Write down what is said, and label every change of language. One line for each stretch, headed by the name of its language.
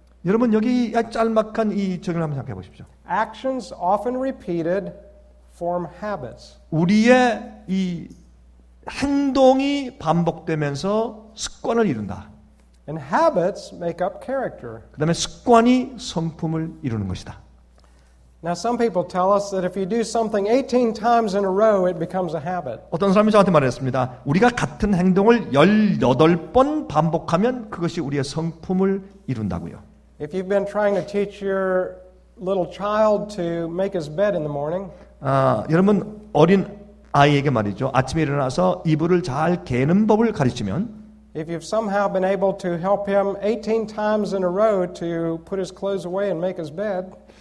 Korean: 여러분 여기 짤막한 이 정의를 한번 생각해 보십시오.
English: Actions often repeated form habits.
Korean: 우리의 이 행동이 반복되면서 습관을 이룬다.
English: And habits make up character.
Korean: 그다음에 습관이 성품을 이루는 것이다.
English: Now some people tell us that if you do something 18 times in a row, it becomes a habit.
Korean: 어떤 사람이 저한테 말했습니다. 우리가 같은 행동을 18번 반복하면 그것이 우리의 성품을 이룬다고요.
English: If you've been trying to teach your little child to make his bed in the morning,
Korean: 여러분 어린 아이에게 말이죠. 아침에 일어나서 이불을 잘 개는 법을 가르치면.
English: If you've somehow been able to help him 18 times in a row to put his clothes away and make his bed.